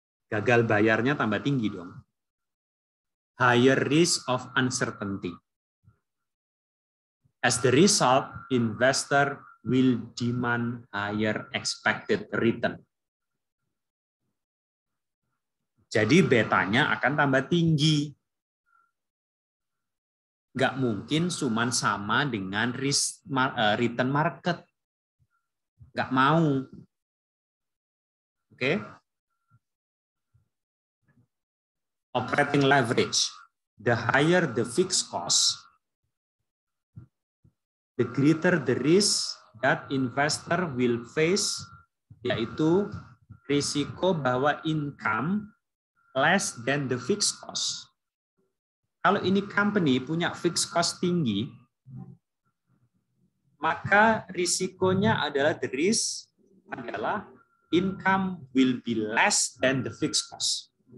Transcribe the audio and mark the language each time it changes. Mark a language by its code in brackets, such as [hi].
[id] Gagal bayarnya tambah tinggi dong. [en] Higher risk of uncertainty. As the result, investor will demand higher expected return. [id] Jadi betanya akan tambah tinggi. Gak mungkin cuman sama dengan return market. Gak mau. Oke. Okay? [en] Operating leverage. The higher the fixed cost, the greater the risk that investor will face, [id] yaitu risiko bahwa [en] income less than the fixed cost. [id] Kalau ini company punya fixed cost tinggi, maka risikonya adalah [en] the risk adalah income will be less than the fixed cost.